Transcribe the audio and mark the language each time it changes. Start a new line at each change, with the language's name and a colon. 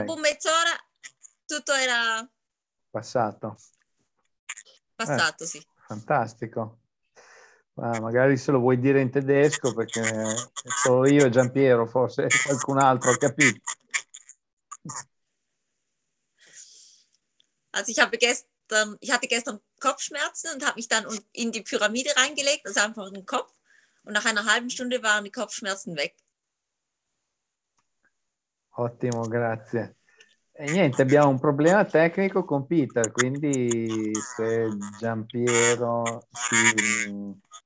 Italian: E dopo mezz'ora tutto era passato. Passato, sì. Fantastico. Ma magari se lo vuoi dire in tedesco, perché solo io e Gian Piero, forse qualcun altro ha capito.
German: Also ich habe gestern Ich hatte gestern Kopfschmerzen und habe mich dann in die Pyramide reingelegt, also einfach in den Kopf. Und nach einer halben Stunde waren die Kopfschmerzen weg.
Italian: Ottimo, grazie. E niente, abbiamo un problema tecnico con Peter, quindi se Gian Piero ti...